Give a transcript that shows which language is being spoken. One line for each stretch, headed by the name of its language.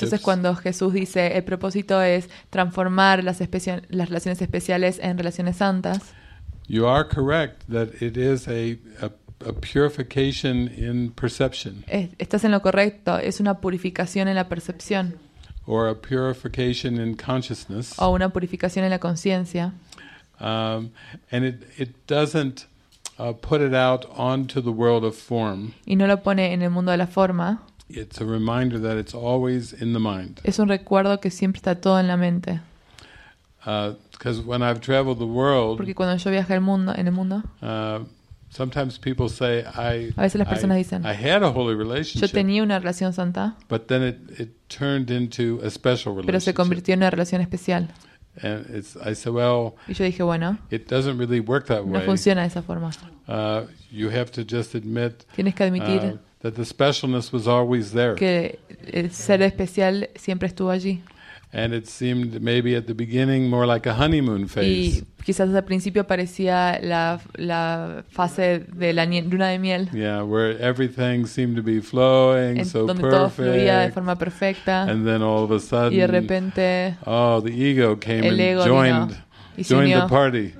Spanish: Entonces, cuando Jesús dice el propósito es transformar las relaciones especiales en relaciones santas.
English: You are correct that it is a purification in perception.
Spanish: Estás en lo correcto, es una purificación en la percepción.
English: Or a purification in consciousness.
Spanish: O una purificación en la conciencia.
English: And it doesn't put it out onto the world of form.
Spanish: Y no lo pone en el mundo de la forma.
English: It's a reminder that it's always in the mind.
Spanish: Es un recuerdo que siempre está todo en la mente.
English: Because when I've traveled the world,
Spanish: porque cuando yo viajé en el mundo,
English: sometimes people say
Spanish: a veces las personas dicen,
English: I had a holy relationship.
Spanish: Yo tenía una relación santa.
English: But then it turned into a special relationship.
Spanish: Pero se convirtió en una relación especial.
English: And it's, I said, well,
Spanish: y yo dije, bueno,
English: it doesn't really work that way.
Spanish: No funciona de esa forma.
English: You have to just admit,
Spanish: tienes que admitir,
English: that the specialness was always there.
Spanish: Que el ser especial siempre estuvo allí.
English: And it seemed maybe at the beginning more like a honeymoon phase.
Spanish: Y quizás al principio parecía la fase de la luna de miel.
English: Yeah, where everything seemed to be flowing so perfect.
Spanish: Donde todo fluía de forma perfecta.
English: And then all of a sudden,
Spanish: y de repente,
English: oh, the ego came and joined the party.